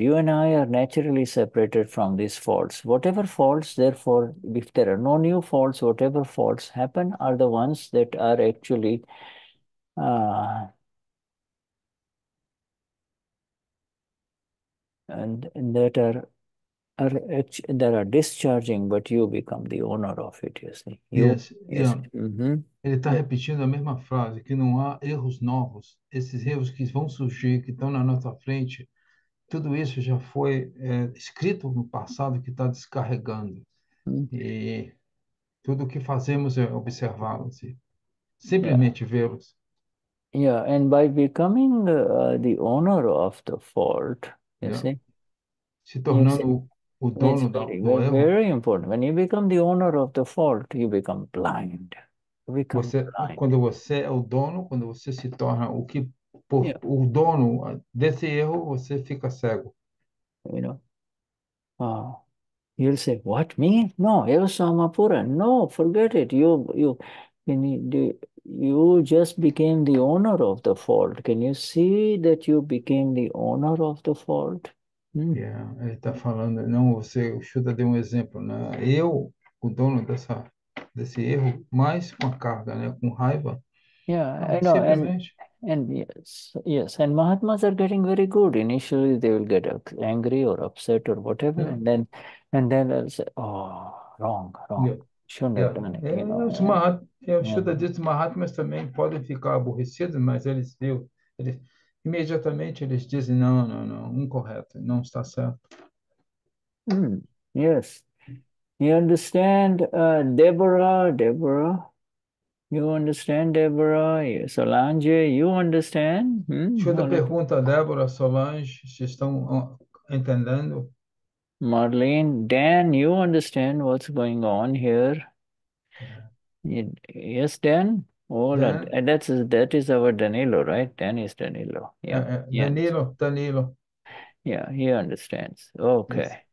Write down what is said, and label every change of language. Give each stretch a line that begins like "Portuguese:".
English: You and I are naturally separated from these faults. Whatever faults, therefore, if there are no new faults, whatever faults happen are the ones that are actually and that are discharging, but you become the owner of it, you see. Yes, yeah.
Portuguese: Ele está repetindo a mesma frase, que não há erros novos. Esses erros que vão surgir, que estão na nossa frente, tudo isso já foi escrito no passado, que está descarregando. E tudo o que fazemos é observá-los e simplesmente vê-los.
English: Yeah, and by becoming the owner of the fault, you see,
Portuguese: se tornando o dono do erro.
English: Very important. When you become the owner of the fault, you become blind.
Portuguese: Quando você é o dono, quando você se torna o que por, o dono desse erro, você fica cego.
English: You know, you'll say, "What, me? No,
Portuguese: eu sou
English: Amapura. No, forget it. You just became the owner of the fault. Can you see that you became the owner of the fault?"
Portuguese: Yeah, ele está falando, não, você, o Shuddha deu um exemplo, né? Eu, o dono desse erro, mais com a carga, né? Com raiva.
English: Yeah,
Portuguese: Não,
English: I know,
Portuguese: simplesmente.
English: and yes, and Mahatmas are getting very good. Initially, they will get angry or upset or whatever, and then they'll say, "Oh, wrong, wrong. Shouldn't have done it." You know,
Portuguese: O Shuddha diz que os Mahatmas também podem ficar aborrecidos, mas eles viu, eles imediatamente eles dizem, não, não, não, incorreto, não está certo.
English: Yes. You understand, Deborah, Deborah? You understand, Deborah? Solange, you understand?
Portuguese: Shuddha pergunta a Débora, Solange, se estão entendendo?
English: Marlene, Dan, you understand what's going on here? Yes, Dan? Hold on. Dan? That is our Danilo, right? Dan is Danilo. Danilo. Yeah, he understands. Okay. Yes.